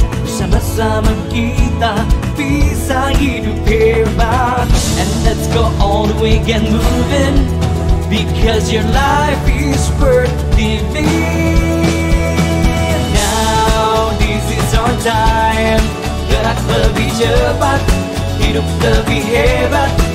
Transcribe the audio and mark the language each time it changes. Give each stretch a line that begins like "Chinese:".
Indonesian: Bersama-sama kita bisa hidup hebat.
English: And let's go all the way, get moving, because your life is worth living. Now this is our time, that
Indonesian: gerak lebih cepat, hidup lebih hebat.